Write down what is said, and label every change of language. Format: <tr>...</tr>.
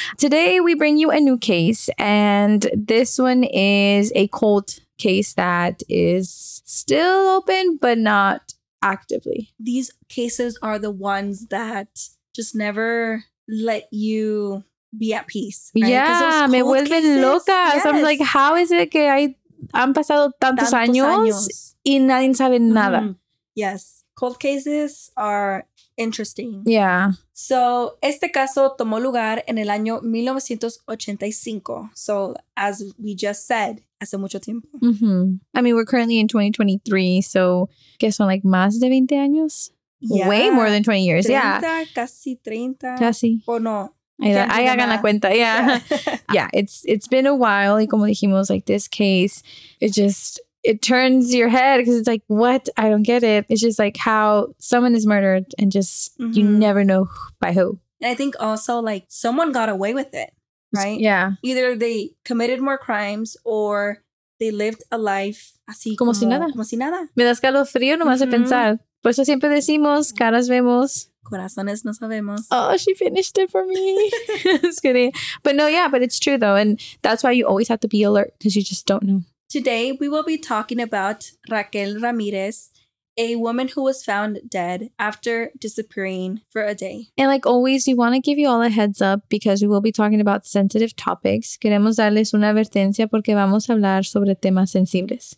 <en>Today we bring you a new case, and this one is a cold case that is still open, but not actively. These cases are the ones that just never let you be at peace, right? Yeah,</en> <es>me vuelven loca.</es> <en>Yes. I'm like, how is it</en> <es>que han pasado tantos años y nadie sabe nada?</es> <en>Yes, cold cases are interesting. Yeah.</en> <es>So, este caso tomó lugar en el año 1985.</es> <en>So, as we just said,</en> <es>hace mucho tiempo. Mm-hmm.</es> <en>I mean, we're currently in 2023.</en> <es>So, ¿qué son, like, más de 20 años?</es> <en>Yeah. Way more than 20 years. 30, yeah.</en> <es>Casi 30. Casi. O no. Ahí hagan la cuenta.</es> <en>Yeah. Yeah. Yeah. It's been a while.</en> <es>Y como dijimos,</es> <en>like, this case, it turns your head because it's like, what? I don't get it. It's just like how someone is murdered and just you never know by who. And I think also like someone got away with it, right? Yeah. Either they committed more crimes or they lived a life así</en> <es>como si nada. Como si nada. Me da escalofrío nomás de pensar. Por eso siempre decimos, caras vemos. Corazones no sabemos.</es> <en>Oh, she finished it for me. Just kidding. But no, yeah, but it's true though. And that's why you always have to be alert because you just don't know. Today, we will be talking about Raquel Ramirez, a woman who was found dead after disappearing for a day. And like always, we want to give you all a heads up because we will be talking about sensitive topics.</en> <es>Queremos darles una advertencia porque vamos a hablar sobre temas sensibles.</es>